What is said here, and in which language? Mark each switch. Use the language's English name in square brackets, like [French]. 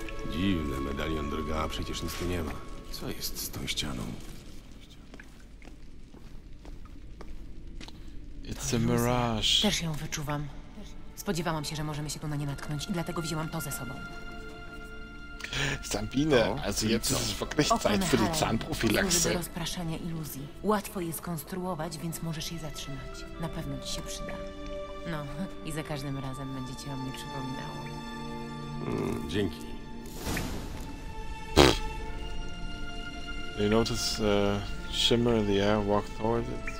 [Polish] Dziwne, medalion drga, a przecież nic tu nie ma. Co jest z tą ścianą? [English] It's a mirage. [Polish] Też ją wyczuwam. Spodziewałam się, że możemy się tu na nie natknąć i dlatego wzięłam to ze sobą. [German] Sabine, also jetzt ist es wirklich Zeit für die Zahnprophylaxe. [Polish] Rozpraszanie iluzji. Łatwo je skonstruować, więc możesz je zatrzymać. Na pewno ci się przyda. No, i za każdym razem będzie ci o mnie przypominało. Dzięki. [English] You notice shimmer in the air, walk toward it.